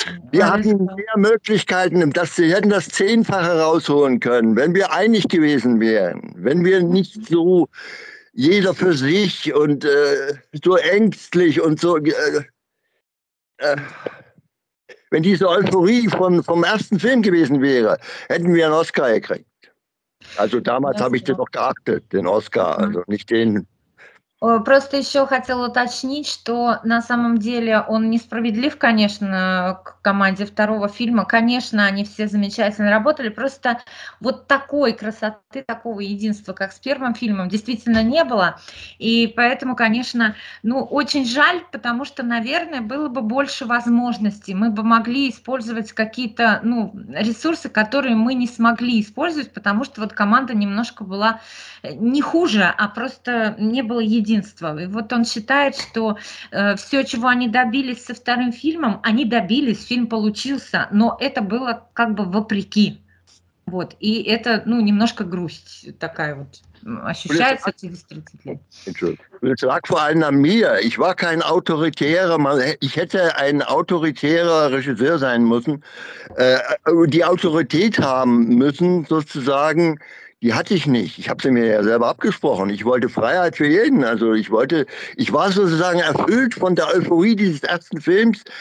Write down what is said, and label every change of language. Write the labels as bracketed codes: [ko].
[de] Wir hatten mehr Möglichkeiten, dass sie hätten das Zehnfache rausholen können, wenn wir einig gewesen wären, wenn wir nicht so jeder für sich und so ängstlich und so, wenn diese Euphorie vom ersten Film gewesen wäre, hätten wir einen Oscar gekriegt. Also damals habe ich den auch geachtet, den Oscar, also nicht den. [ru] Просто еще хотел уточнить, что на самом деле он несправедлив, конечно, к команде второго фильма. Конечно, они все замечательно работали. Просто вот такой красоты, такого единства, как с первым фильмом, действительно не было. И поэтому, конечно, ну, очень жаль, потому что, наверное, было бы больше возможностей. Мы бы могли использовать какие-то, ну, ресурсы, которые мы не смогли использовать, потому что вот команда немножко была не хуже, а просто не было единства. Единство. И вот он считает, что все, чего они добились со вторым фильмом, они добились, фильм получился, но это было как бы вопреки. Вот. И это, ну, немножко грусть такая вот ощущается от телезрителей. Это [de] lag vor allem an mir. Ich war kein autoritärer, ich hätte ein autoritärer Regisseur sein müssen, die Autorität haben müssen, sozusagen. Die hatte ich nicht. Ich habe sie mir ja selber abgesprochen. Ich wollte Freiheit für jeden. Also ich war sozusagen erfüllt von der Euphorie dieses ersten Films.